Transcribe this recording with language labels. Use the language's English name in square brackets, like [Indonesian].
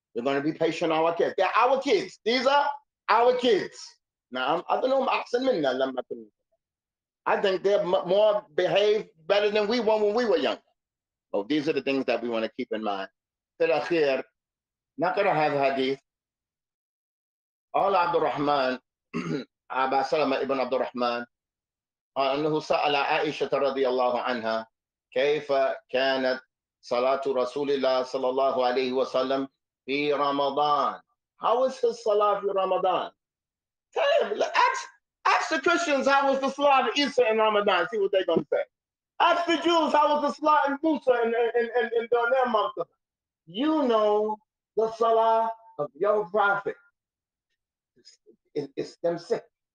[English] We're going to be patient on our kids. They're our kids. These are our kids. نعم. [Arabic] أظنهم أحسن منا لما كنا. [English] I think they more behave better than we were when we were younger. Well, these are the things that we want to keep in mind. [Arabic] في الأخير نقرأ هذا الحديث. قال عبد الرحمن أبا سلمة ابن عبد الرحمن أنه سأل عائشة رضي الله عنها كيف كانت صلاة رسول الله صلى الله عليه وسلم في رمضان. [English] How was his salah in Ramadan? Tell him, ask the Christians how was the salah of Isa in Ramadan. See what they're going to say. Ask the Jews how was the salah in Musa in their month. You know the salah of your prophet. It's them sick.